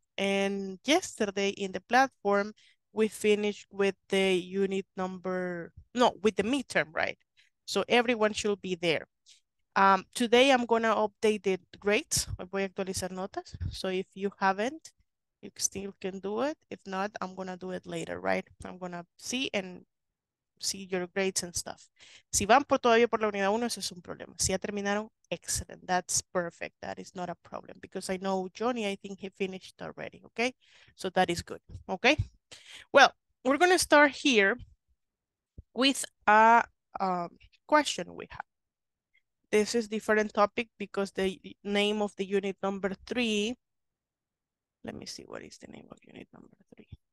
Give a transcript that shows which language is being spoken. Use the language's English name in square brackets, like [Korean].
[English] And yesterday in the platform, we finished with the unit number, no, with the midterm, right? So everyone should be there. Today I'm gonna update the grades. [Spanish] Voy a actualizar notas. [English] So if you haven't, you still can do it. If not, I'm gonna do it later, right? I'm gonna see your grades and stuff. [Spanish] Si van por todavía por la unidad 1, eso es un problema. Si ya terminaron, [English] excellent. That's perfect. That is not a problem because I know Johnny, I think he finished already, okay? So that is good, okay? Well, we're gonna start here with a question we have. This is different topic because the name of the unit number 3, let me see what is the name of unit number 3.